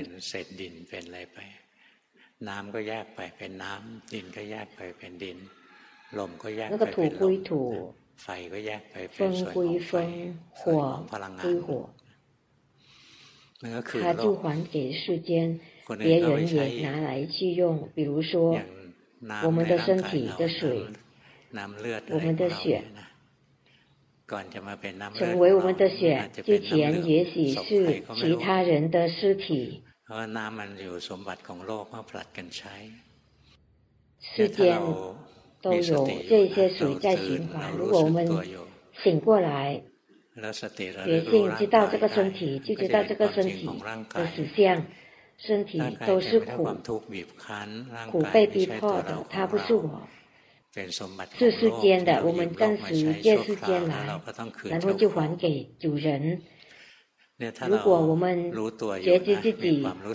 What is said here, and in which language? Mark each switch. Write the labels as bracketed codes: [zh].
[th] เสร็จดินเป็นอะไรไปน้ำก็แยกไปเป็นน้ำดินก็แยกไปเป็นดินลมก็แยกไปเป็ นลมไฟก็แยกไปเป็นส่วนของไฟพลังงานมันก็คือโลก [zh] 它就还给世间别人也拿来去用比如说我们的身体的水 [th] น้ำเลือด เราเนี่ยนะ ก่อนจะมาเป็นน้ำเลือดของเราอาจจะเป็นน้ำเลือดของเราเสียชื่อ [zh] 其他人的尸体 [th] เพราะน้ำมันอยู่สมบัติของโลกมาผลัดกันใช้ [zh] 世间都有这些水在循环如果我们醒过来觉性知道这个身体就知道这个身体的实相身体都是苦苦被逼迫的它不是我是世间的我们暂时借世间来然后就还给主人如果我们觉知自己